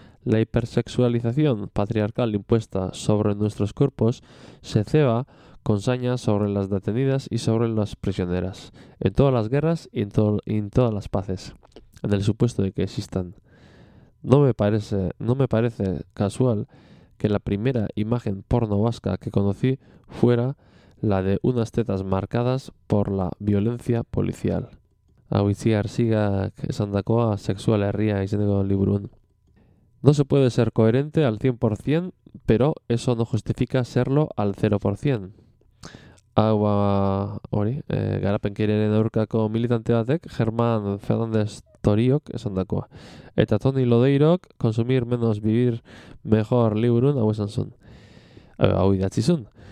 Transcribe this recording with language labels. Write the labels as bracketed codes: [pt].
[es] La hipersexualización patriarcal impuesta sobre nuestros cuerpos se ceba con saña sobre las detenidas y sobre las prisioneras, en todas las guerras y en todas las paces, en el supuesto de que existan. No me parece casual que la primera imagen porno vasca que conocí fuera la de unas tetas marcadas por la violencia policial. [eu] Auitziar Sigak esandakoa sexual herria izeneko liburun. [es] No se puede ser coherente al 100%, pero eso no justifica serlo al 0%. [eu] Garapenkeriaren aurkako militante batek, German Fernandez Toriok esandakoa. Eta Toni Lodeirok, consumir menos vivir mejor liburun, hau esan zun. Hau idatzizun.